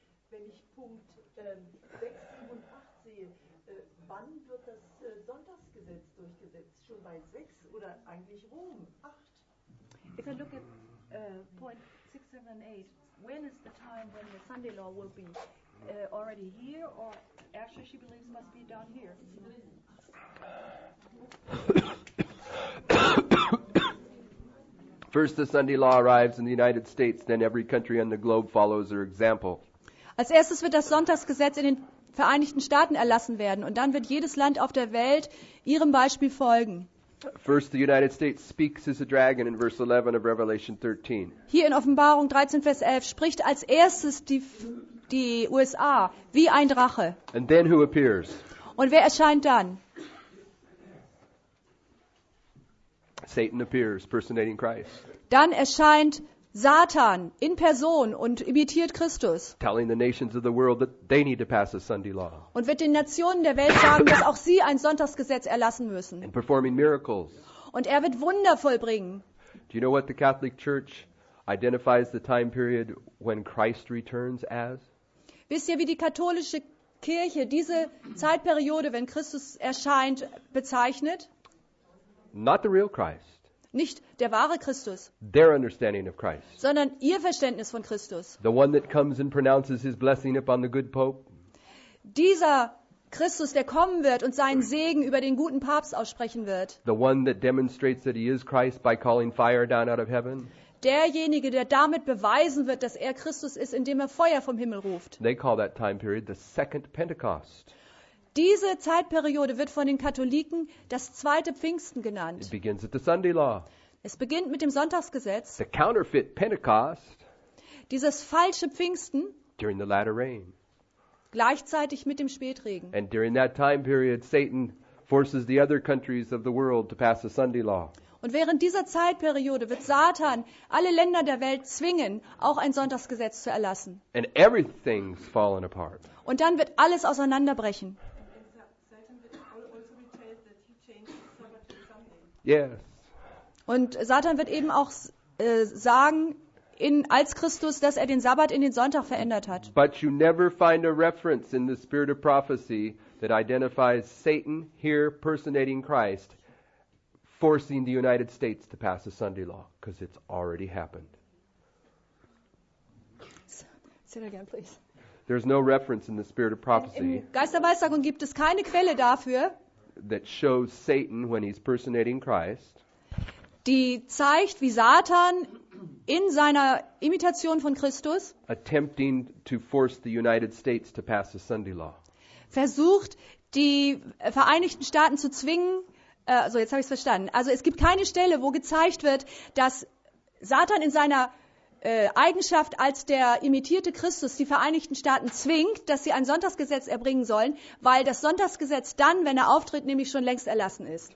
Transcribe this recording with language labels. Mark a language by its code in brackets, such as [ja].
[de] Wenn ich Punkt 6, 7 und 8 sehe, wann wird das Sonntagsgesetz durchgesetzt? Schon bei 6 oder eigentlich Rom? 8? [en] If I look at point 6, 7 and 8, when is the time when the Sunday law will be already here, or actually she believes must be down here? First the Sunday law arrives in the United States, then every country on the globe follows her example. [de] Als erstes wird das Sonntagsgesetz in den Vereinigten Staaten erlassen werden und dann wird jedes Land auf der Welt ihrem Beispiel folgen. [en] First the United States speaks as a dragon in verse 11 of Revelation 13. [de] Hier in Offenbarung 13 Vers 11 spricht als erstes die USA wie ein Drache. [en] And then who appears? [de] Und wer erscheint dann? [en] Satan appears, personating Christ. [de] Dann erscheint Satan in Person und imitiert Christus. [en] Telling the nations of the world that they need to pass a Sunday law. [de] Und wird den Nationen der Welt sagen, dass auch sie ein Sonntagsgesetz erlassen müssen. [en] And performing miracles. [de] Und er wird Wunder vollbringen. [en] Do you know what the Catholic Church identifies the time period when Christ returns as? [de] Wisst ihr, wie die katholische Kirche diese Zeitperiode, wenn Christus erscheint, bezeichnet? [en] Not the real Christ. [de] Nicht der wahre Christus, [en] their understanding of Christ. [de] Sondern ihr Verständnis von Christus. [en] The one that comes and pronounces his blessing upon the good Pope. [de] Dieser Christus, der kommen wird und seinen Segen über den guten Papst aussprechen wird. [en] The one that demonstrates that he is Christ by calling fire down out of heaven. [de] Derjenige, der damit beweisen wird, dass er Christus ist, indem er Feuer vom Himmel ruft. [en] They call that time period the second Pentecost. [de] Diese Zeitperiode wird von den Katholiken das zweite Pfingsten genannt. [en] It begins at the Sunday law. [de] Es beginnt mit dem Sonntagsgesetz. [en] The counterfeit Pentecost. [de] Dieses falsche Pfingsten. [en] During the latter rain. [de] Gleichzeitig mit dem Spätregen. [en] And during that time period, Satan forces the other countries of the world to pass the Sunday law. [de] Und während dieser Zeitperiode wird Satan alle Länder der Welt zwingen, auch ein Sonntagsgesetz zu erlassen. [en] And everything's fallen apart. [de] Und dann wird alles auseinanderbrechen. [en] Yes. [de] Und Satan wird eben auch sagen, als Christus, dass er den Sabbat in den Sonntag verändert hat. [en] But you never find a reference in the spirit of prophecy that identifies Satan here personating Christ forcing the United States to pass a Sunday law, because it's already happened. Say it again, please. There's no reference in the spirit of prophecy. [de] In Geisterweissagung gibt es keine Quelle dafür. [en] that shows Satan when he's personating Christ. [de] Die zeigt, wie Satan in seiner Imitation von Christus [en] attempting to force the United States to pass a Sunday law. [de] Versucht, die Vereinigten Staaten zu zwingen, also jetzt habe ich es verstanden. Also es gibt keine Stelle, wo gezeigt wird, dass Satan in seiner Eigenschaft als der imitierte Christus die Vereinigten Staaten zwingt, dass sie ein Sonntagsgesetz erbringen sollen, weil das Sonntagsgesetz dann, wenn er auftritt, nämlich schon längst erlassen ist.